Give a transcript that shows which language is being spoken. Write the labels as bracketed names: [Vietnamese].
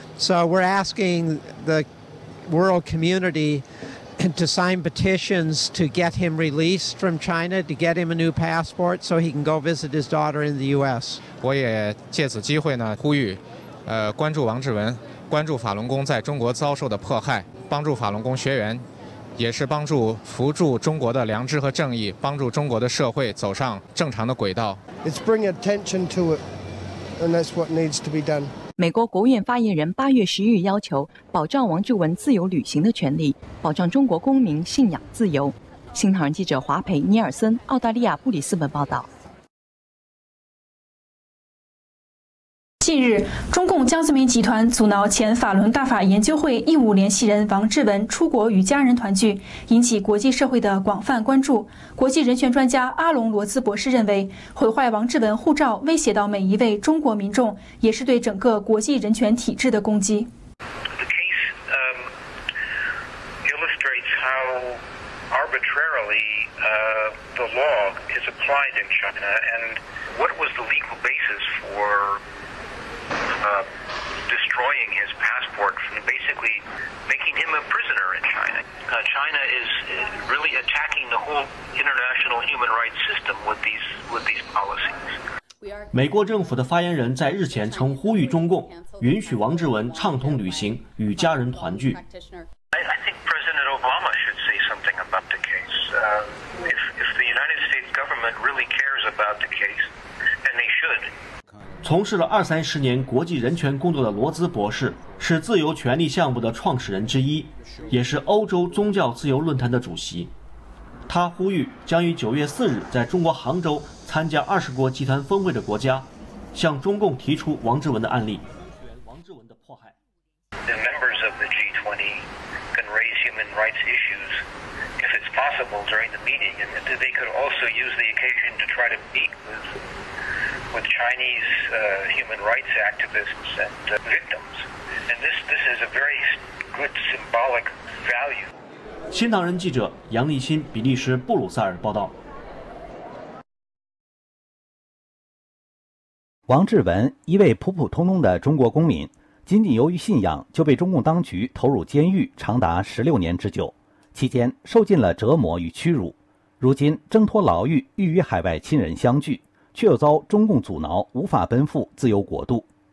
[English] So we're asking the world community to sign petitions to get him released from China, to get him a new passport so he can go visit his daughter in the U.S. [Chinese] 我也借此机会呢呼吁，关注王志文，关注法轮功在中国遭受的迫害，帮助法轮功学员，也是帮助扶助中国的良知和正义，帮助中国的社会走上正常的轨道。 [English] It's bring attention to it, and that's what needs to be done. [Chinese] 美国国务院发言人8月11日要求保障王志文自由旅行的权利，保障中国公民信仰自由。新唐人记者华培、尼尔森，澳大利亚布里斯本报道。近日，中共江泽民集团阻挠前法轮大法研究会义务联系人王志文出国与家人团聚，引起国际社会的广泛关注。国际人权专家阿龙·罗兹博士认为，毁坏王志文护照威胁到每一位中国民众，也是对整个国际人权体制的攻击。 [English] The case illustrates the law is applied in China, and what was the legal basis for destroying his passport and basically making him a prisoner in China? China is really attacking the whole international human rights system with these policies. [Chinese] 美国政府的发言人在日前曾呼吁中共允许王志文畅通旅行，与家人团聚。 [English] I think President Obama should say something about the case. If the United States government really cares about the case, then they should. [Chinese] 从事了20-30年国际人权工作的罗兹博士是自由权利项目的创始人之一，也是欧洲宗教自由论坛的主席。他呼吁将于9月4日在中国杭州参加20国集团峰会的国家，向中共提出王志文的案例。王志文的迫害。 [English] The members of the G20 can raise human rights issues if it's possible during the meeting, and they could also use the occasion to try to meet with Chinese human rights activists and victims. And this is a very good symbolic value. [Chinese] 新唐人记者杨立新，比利时布鲁塞尔报道。王志文，一位普普通通的中国公民，仅仅由于信仰就被中共当局投入监狱长达16年之久，期间受尽了折磨与屈辱，如今挣脱牢狱，欲与海外亲人相聚，却又遭中共阻挠，无法奔赴自由国度。